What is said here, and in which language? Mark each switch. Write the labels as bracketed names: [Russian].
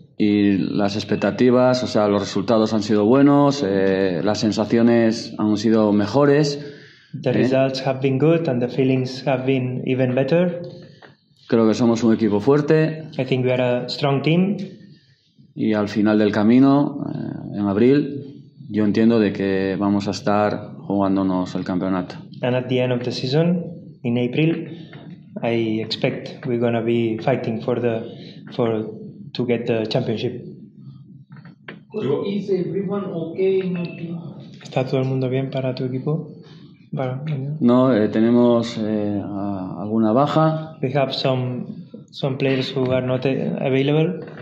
[Spanish] Y las expectativas, o sea, los resultados han sido buenos, las sensaciones han sido mejores. [English] The results have been good and the feelings have been even better. [Spanish] Creo que somos un equipo fuerte. [English] I think we are a strong team. [Spanish] Y al final del camino, en abril, yo entiendo de que vamos a estar jugándonos el campeonato. [English] And at the end of the season, in April, I expect we're gonna be fighting to get the championship. Is everyone okay in your team? [Spanish] ¿Está todo el mundo bien para tu equipo? Para... No, tenemos alguna baja. [English] We have some players who are not available.